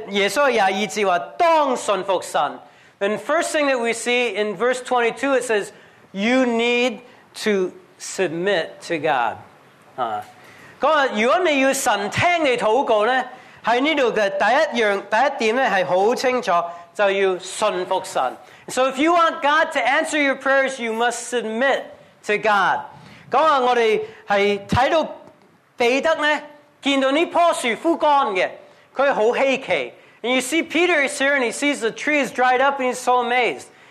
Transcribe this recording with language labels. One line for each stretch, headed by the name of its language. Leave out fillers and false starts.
Chinese: 首先我們看到耶穌的22節說,當信服神.
English: And first thing that we see in verse 22, it says, you need to submit to God.
Chinese: 如果你要神聽你禱告,在這裡的第一點是很清楚,就要信服神.
English: So if you want God to answer your prayers, you must submit to God.
Chinese: 我們看到彼得見到這棵樹枯乾的,他很稀奇.
English: And you see Peter is here and he sees the tree is dried up and he's so amazed.